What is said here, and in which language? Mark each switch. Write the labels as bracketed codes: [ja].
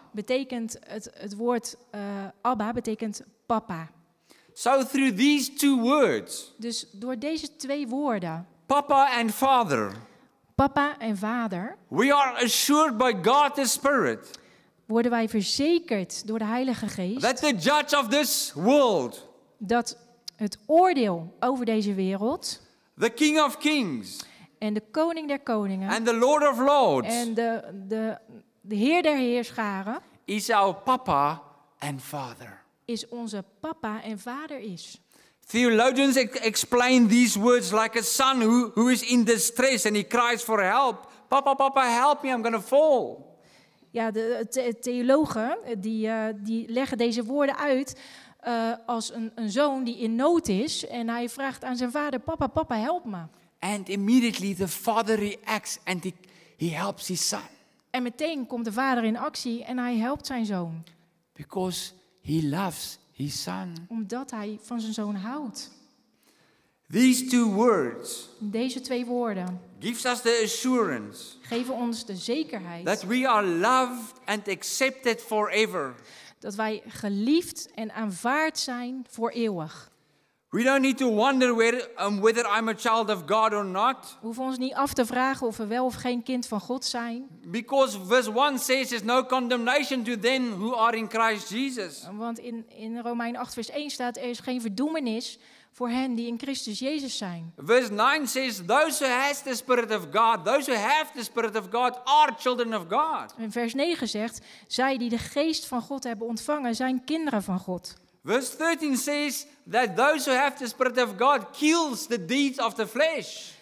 [nl] Betekent het woord Abba betekent papa. [en] So through these two words. [nl] Dus door deze twee woorden. [en] Papa and father. [nl] Papa en vader. [en] We are assured by God the Spirit. [nl] Worden wij verzekerd door de Heilige Geest. [en] That the judge of this world. [nl] Dat het oordeel over deze wereld. [en] The King of Kings. [nl] En de Koning der Koningen. [en] And the Lord of Lords. [nl] En de Heer der Heerscharen. [en] Is our Papa and Father. [nl] Is onze Papa en Vader is. [en] Theologians explain these words like a son who is in distress and he cries for help. Papa, Papa, help me, I'm going to fall. [nl] Ja, de theologen die leggen deze woorden uit als een zoon die in nood is. En hij vraagt aan zijn vader, papa, papa, help me. [en] And immediately the father reacts and he helps his son. [nl] En meteen komt de vader in actie en hij helpt zijn zoon. [en] Because he loves his son. [nl] Omdat hij van zijn zoon houdt. [en] These two words. [nl] Deze twee woorden. [en] Gives us the assurance. [nl] Geven ons de zekerheid. [en] That we are loved and accepted forever. [nl] Dat wij geliefd en aanvaard zijn voor eeuwig. [en] We don't need to wonder whether I'm a child of God or not. [nl] We hoeven ons niet af te vragen of we wel of geen kind van God zijn. [en] Because verse 1 says there's no condemnation to them who are in Christ Jesus. [nl] Want in Romeinen 8 vers 1 staat er is geen verdoemenis voor hen die in Christus Jezus zijn. [en] Verse 9 says those who has the spirit of God, those who have the spirit of God are children of God. [nl] En vers 9 zegt zij die de geest van God hebben ontvangen zijn kinderen van God. [en] Verse 13 says that those who have the spirit of God kills the deeds of the flesh.